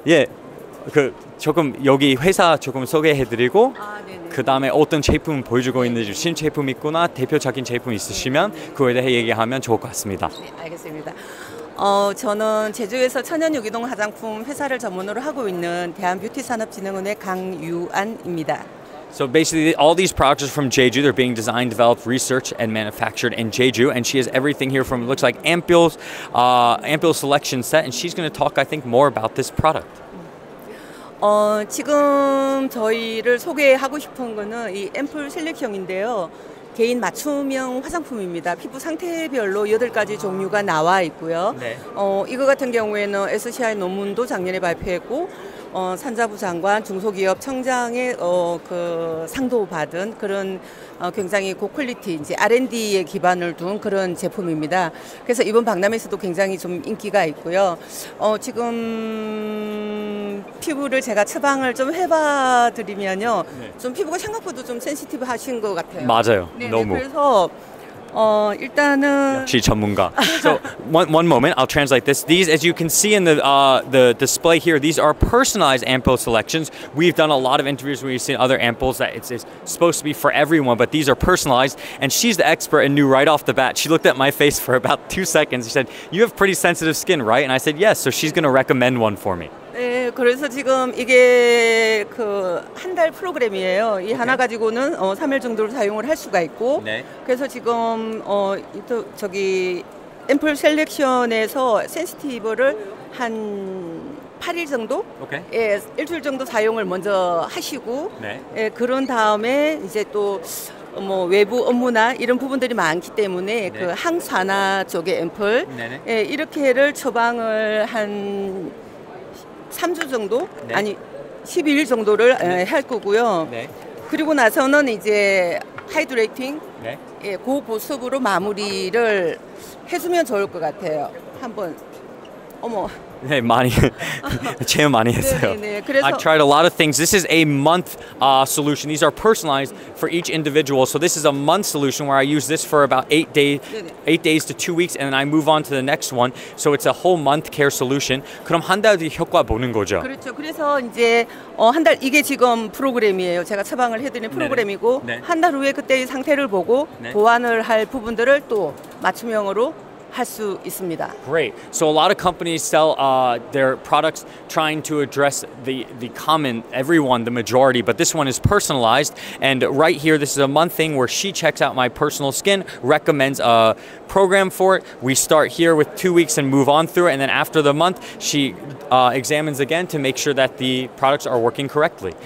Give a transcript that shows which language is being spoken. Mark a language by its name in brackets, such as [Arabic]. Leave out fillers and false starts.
[Korean] 예, 그 조금 여기 회사 조금 소개해드리고, 그 다음에 어떤 제품 보여주고 있는지, 신 제품 있거나 대표적인 제품 있으시면 그거에 대해 얘기하면 좋을 것 같습니다. 네, 알겠습니다. 저는 제주에서 천연 유기농 화장품 회사를 전문으로 하고 있는 대한뷰티산업진흥원의 강유안입니다. [English] So basically, all these products are from Jeju. They're being designed, developed, researched, and manufactured in Jeju. And she has everything here from, it looks like, ampoules, ampoule selection set. And she's going to talk, I think, more about this product. [Korean] 지금 저희를 소개하고 싶은 거는 이 앰플 셀렉션인데요. 개인 맞춤형 화장품입니다. 피부 상태별로 8가지 종류가 나와 있고요. 네. 이거 같은 경우에는 SCI 논문도 작년에 발표했고, 산자부 장관, 중소기업 청장의 그 상도 받은 그런 굉장히 고퀄리티 이제 R&D에 기반을 둔 그런 제품입니다. 그래서 이번 박람회에서도 굉장히 좀 인기가 있고요. 지금 피부를 제가 처방을 좀 해봐드리면요, 네. 좀 피부가 생각보다 좀 센시티브하신 것 같아요. 맞아요. 네, 너무. 그래서 일단은 역시 전문가. [English] So one moment, I'll translate this. These, as you can see in the display here, these are personalized ampoule selections. We've done a lot of interviews where you've seen other ampoules that it's supposed to be for everyone, but these are personalized. And she's the expert and knew right off the bat. She looked at my face for about 2 seconds. She said, "You have pretty sensitive skin, right?" And I said, "Yes." So she's going to recommend one for me. [Korean] 네, 그래서 지금 이게 그 한 달 프로그램이에요. 이 [English] okay. [Korean] 하나 가지고는 3일 정도로 사용을 할 수가 있고, 네. 그래서 지금 저기 앰플 셀렉션에서 센시티브를 한 8일 정도, [English] okay. [Korean] 예, 일주일 정도 사용을 먼저 하시고, 네. 예, 그런 다음에 이제 또 뭐 외부 업무나 이런 부분들이 많기 때문에 네. 그 항산화 쪽의 앰플, 네. 예, 이렇게를 처방을 한 3주 정도? 네. 아니, 12일 정도를 네. 할 거고요. 네. 그리고 나서는 이제 하이드레이팅, 네. 예, 고보습으로 마무리를 해주면 좋을 것 같아요. 한번. 어머. 네, 많이. 제일 많이 했어요. 네, 네, 네. 그래서 [English] I tried a lot of things. This is a month solution. These are personalized for each individual. So this is a month solution where I use this for about 8 days to 2 weeks and then I move on to the next one. So it's a whole month care solution. [Korean] 그럼 한 달의 효과 보는 거죠. 그렇죠. 그래서 이제 한 달 이게 지금 프로그램이에요. 제가 처방을 해 드리는 프로그램이고 네, 네. 네. 한 달 후에 그때의 상태를 보고 네. 보완을 할 부분들을 또 맞춤형으로 할 수 있습니다. [English] Great. So a lot of companies sell their products trying to address the common, everyone, the majority, but this one is personalized. And right here, this is a month thing where she checks out my personal skin, recommends a program for it. We start here with 2 weeks and move on through it. And then after the month, she examines again to make sure that the products are working correctly.